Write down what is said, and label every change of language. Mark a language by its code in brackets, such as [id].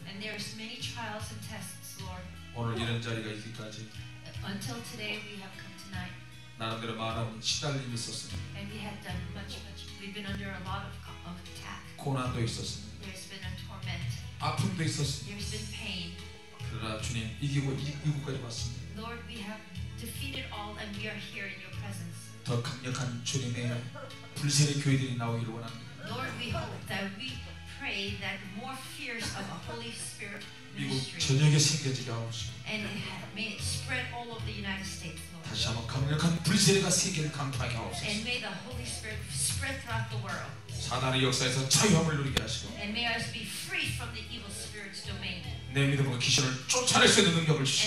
[en] And there is many trials and tests, Lord. [ko] 오늘 이런 자리가 있기까지. [en] Until today we have come tonight. [ko] 나름대로 많은 시달림이 있었습니다. [en] And we have done much. We've been under a lot of attack. [ko] 고난도 있었습니다. [en] There's been a torment. [ko] 아픔도 있었습니다. [en] There's been pain. [ko] 그러나 주님 이기고 이곳까지 왔습니다. [en] Lord, we have defeated all, and we are here in your presence. [ko] 더 강력한 주님의 불세례 교회들이 나오기를 원합니다. [en] Lord, we hope that we pray that more fears of a Holy Spirit ministry. [ko] 미국 전역에 생겨지게 하옵시고. [en] And may it spread all over the United States, Lord. [ko] 다시 한번 강력한 불세례가 세계를 강타하게 하옵소서. [en] And may the Holy Spirit spread throughout the world. [ko] 사단의 역사에서 자유함을 누리게 하시고. [en] And may us be free from the evil spirit's domain. [ko] 내 믿음으로 귀신을 쫓아낼 수 있는 능력을 주시고.